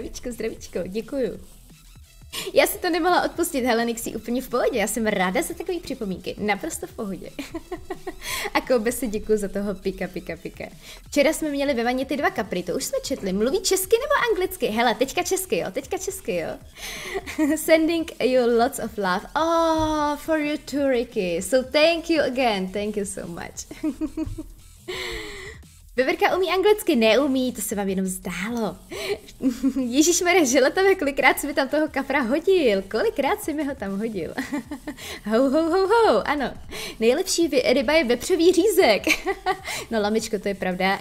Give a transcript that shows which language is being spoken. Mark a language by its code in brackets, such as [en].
[cs] Zdravíčko, děkuju. Já si to nemohla odpustit, hele, Nixi, úplně v pohodě, já jsem ráda za takové připomínky, naprosto v pohodě. A Koube si děkuju za toho pika. Včera jsme měli ve vaně ty 2 kapry, to už jsme četli, mluví česky nebo anglicky? Hele, teďka česky, jo. [en] Sending you lots of love, oh, for you too, Ricky, so thank you again, thank you so much. [cs] Veverka umí anglicky? Neumí, to se vám jenom zdálo. Ježišmarja, želatavě, kolikrát jsi mi tam toho kapra hodil? Kolikrát jsi mi ho tam hodil? Ho, ano. Nejlepší ryba je vepřový řízek. No, lamičko, to je pravda.